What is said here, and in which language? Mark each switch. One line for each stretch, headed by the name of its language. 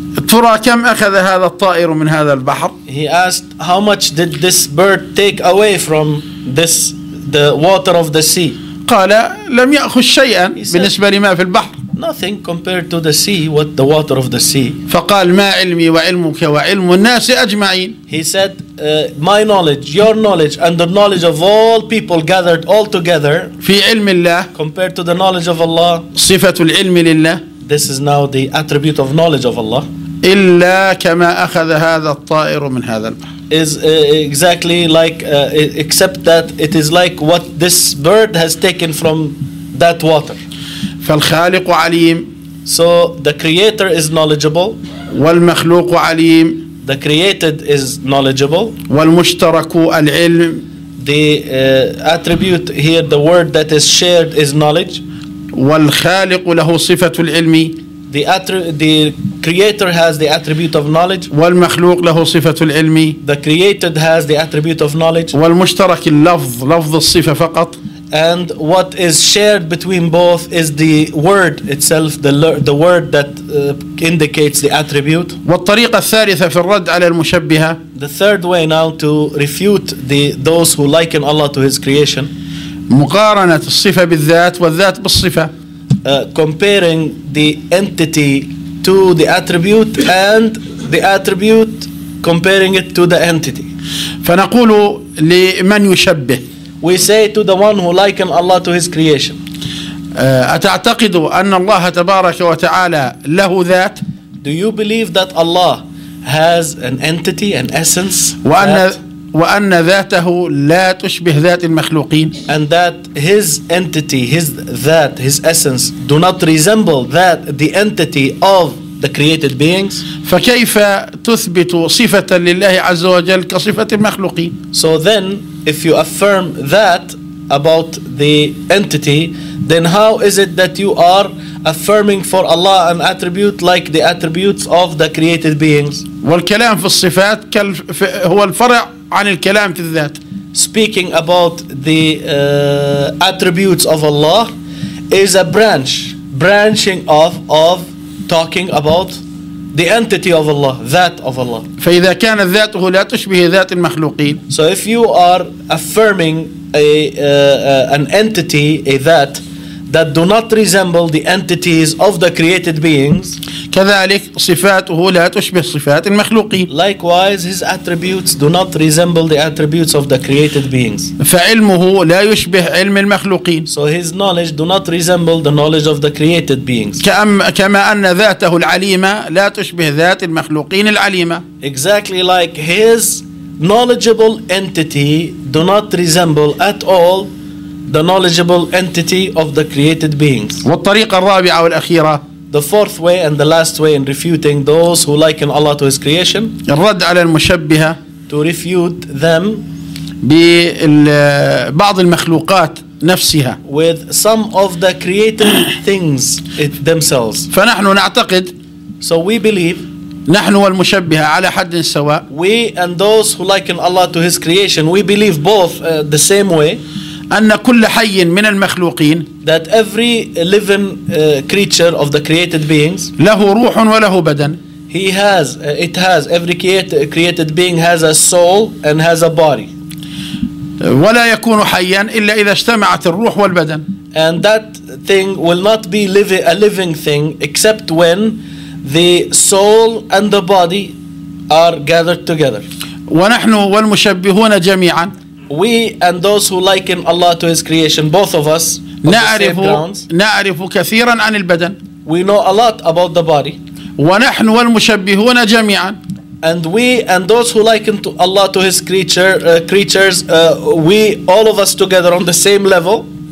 Arabic: ترى كم أخذ هذا الطائر من هذا البحر؟
English: He asked how much did this bird take away from this the water of the sea.
Arabic: قال لم يأخذ شيئا بالنسبة لما في البحر.
English: Nothing compared to the sea, what the water of the sea.
Arabic: فقال ما علمي وعلمك وعلم الناس أجمعين.
English: He said my knowledge, your knowledge, and the knowledge of all people gathered all together.
Arabic: في علم الله.
English: Compared to the knowledge of Allah.
Arabic: صفة العلم لله.
English: This is now the attribute of knowledge of Allah.
Arabic: إلا كما أخذ هذا الطائر من هذا البحر.
English: Is exactly like except that it is like what this bird has taken from that water.
Arabic: فالخالق عليم.
English: So the creator is knowledgeable.
Arabic: والمخلوق عليم.
English: The created is knowledgeable.
Arabic: والمشترك العلم.
English: The attribute here, the word that is shared, is knowledge.
Arabic: والخالق له صفة العلم.
English: The creator has the attribute of knowledge.
Arabic: والمخلوق له صفة العلم.
English: The created has the attribute of knowledge.
Arabic: والمشترك اللفظ, لفظ الصفة فقط.
English: And what is shared between both is the word itself, the word that indicates the attribute.
Arabic: والطريقة الثالثة في الرد على المشبهة.
English: The third way now to refute those who liken Allah to His creation.
Arabic: مقارنة الصفة بالذات والذات بالصفة.
English: Comparing the entity to the attribute and the attribute comparing it to the entity.
Arabic: فنقول لمن يشبه.
English: We say to the one who liken Allah to his creation.
Arabic: أتعتقد أن الله تبارك وتعالى له ذات؟
English: Do you believe that Allah has an entity, an essence?
Arabic: وأن ذاته لا تشبه ذات المخلوقين.
English: And that his entity, his that, his essence do not resemble that the entity of the created beings.
Arabic: فكيف تثبت صفة لله عز وجل كصفة المخلوقين؟
English: So then, if you affirm that about the entity, then how is it that you are affirming for Allah an attribute like the attributes of the created beings?
Arabic: والكلام في الصفات هو الفرع عن الكلام في الذات.
English: Speaking about the attributes of Allah is a branch, branching off of talking about the entity of Allah, that of Allah.
Arabic: فإذا كان ذاته لا تشبه ذات المخلوقين.
English: So if you are affirming an entity, a that, that do not resemble the entities of the created beings.
Arabic: كذلك صفاته لا تشبه صفات المخلوقين.
English: Likewise, his attributes do not resemble the attributes of the created beings.
Arabic: فعلمه لا يشبه علم المخلوقين.
English: So his knowledge do not resemble the knowledge of the created beings.
Arabic: كما أن ذاته العليمة لا تشبه ذات المخلوقين العليمة.
English: Exactly like his knowledgeable entity do not resemble at all the knowledgeable entity of the created beings.
Arabic: والطريقة الرابعة والأخيرة.
English: The fourth way and the last way in refuting those who liken Allah to His creation.
Arabic: الرد على المشبهة.
English: To refute them.
Arabic: ببعض المخلوقات نفسها.
English: With some of the created things themselves.
Arabic: فنحن نعتقد.
English: So we believe.
Arabic: نحن والمشبهة على حد سواء.
English: We and those who liken Allah to His creation, we believe both the same way.
Arabic: أن كل حي من المخلوقين
English: that every living creature of the created beings
Arabic: له روح وله بدن.
English: Every created being has a soul and has a body.
Arabic: ولا يكون حيا إلا إذا اجتمعت الروح والبدن.
English: And that thing will not be a living thing except when the soul and the body are gathered together.
Arabic: ونحن والمشبهون جميعا
English: we and those who liken Allah to his creation, both of us,
Arabic: نعرف, نعرف كثيرا عن البدن.
English: We know a lot about the body.
Arabic: ونحن والمشبهون جميعا.
English: And we and those who liken to Allah to his creatures, we all of us together on the same level.